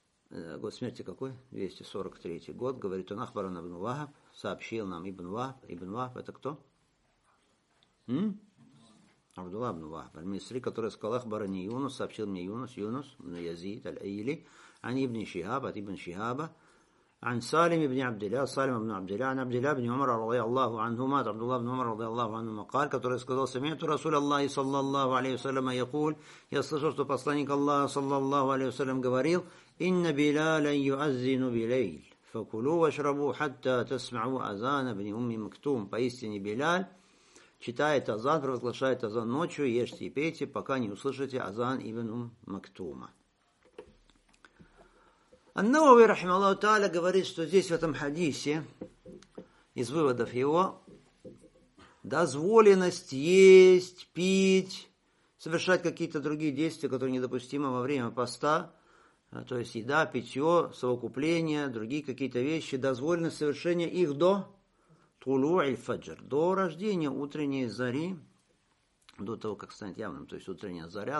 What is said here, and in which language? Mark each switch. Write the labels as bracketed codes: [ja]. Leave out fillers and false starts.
[ru] Год смерти какой? 243-й год. Говорит он, Ахбаран ибн Вахаб, сообщил нам ибн Вахаб. Ибн Вахаб, это кто? Абдулла ибн Вахаб. Аль-Мисри, который сказал, Ахбарани Юнус, сообщил мне Юнус, ибн Язид, аль-Айли, ани ибн Шихаб, от ибн Шихаба. [ar] عن سالم بن عبد الله سالم بن عبد الله عن عبد الله بن عمر رضي الله عنهما عبد الله بن عمر رضي الله عنهما قال [ru] который сказал [ar] سمعت رسول الله صلى الله عليه وسلم يقول [ru] я слышал что посланник Аллаха [ar] صلى الله عليه وسلم [ru] говорил [ar] إن بلالا يؤذن بليل فكلوا واشربوا حتى تسمعوا أذان ابن أم مكتوم [ru] поистине Билал читает азан провозглашает азан ночью ешьте и пейте пока не услышите азан ибн Мактума. Ан-Науви, рахималлаху тааля, говорит, что здесь в этом хадисе, из выводов его, дозволенность есть, пить, совершать какие-то другие действия, которые недопустимы во время поста, то есть еда, питье, совокупление, другие какие-то вещи, дозволено совершение их до тулу-иль-фаджр, до рождения утренней зари, до того, как станет явным, то есть утренняя заря.